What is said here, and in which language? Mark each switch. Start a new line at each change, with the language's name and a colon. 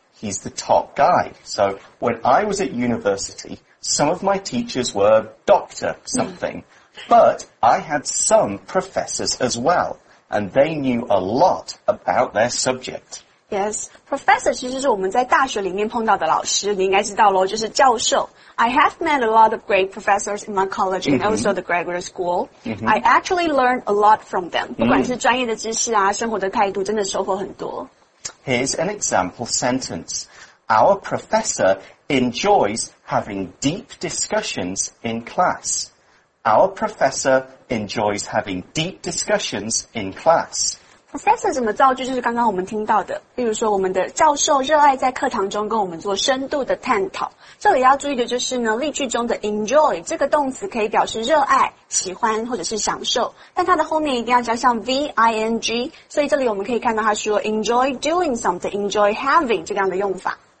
English: He's the top guy. So when I was at university, some of my teachers were doctor something. But I had some professors as well, and they knew a lot about their subject.
Chinese: Yes, professor 其实是我们在大学里面碰到的老师，你应该知道咯，就是教授。
English: I have met a lot of great professors in my college and also the graduate school. Mm-hmm. I actually learned a lot from them.
Chinese: 不管是专业的知识啊，生活的态度，真的收获很多。
English: Here's an example sentence. Our professor enjoys having deep discussions in class. Our professor enjoys having deep discussions in class.
Chinese: Professor 怎么造句就是刚刚我们听到的。例如说我们的教授热爱在课堂中跟我们做深度的探讨。这里要注意的就是呢例句中的 enjoy, 这个动词可以表示热爱喜欢或者是享受。但它的后面一定要加上 V-I-N-G, 所以这里我们可以看到它说
English: enjoy doing something, enjoy having
Chinese: 这样的用法。